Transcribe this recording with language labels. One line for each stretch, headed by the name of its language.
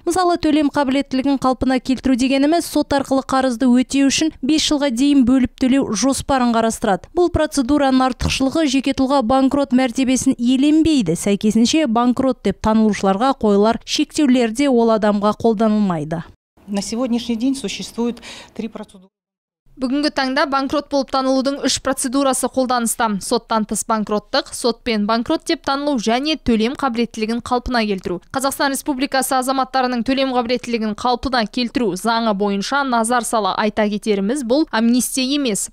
Kazakh: Мысалы, төлем қабілеттілігін қалпына келтіру дегеніміз сот арқылы қарызды өтеу үшін 5 жылға дейін бөліп төлеу жоспарын қарастырады. Бұл процедураның артықшылығы жеке тұлға банкрот мәртебесін иеленбейді. Сәйкесінше банкрот деп танылушыларға қойылар шектеулерде ол адамға қолданылмайды.
Russian: На сегодняшний день существует 3 процедуры.
Kazakh: Бүгінгі таңда банкрот болып танылудың 3 процедурасы қолданыста. Соттан тыс банкроттық, сотпен банкрот деп танылу және төлем қабілеттілігін қалпына келтіру. Қазақстан Республикасы азаматтарының төлем қабілеттілігін қалпына келтіру заңы бойынша назар сала айта кетеріміз, бұл амнистия емес.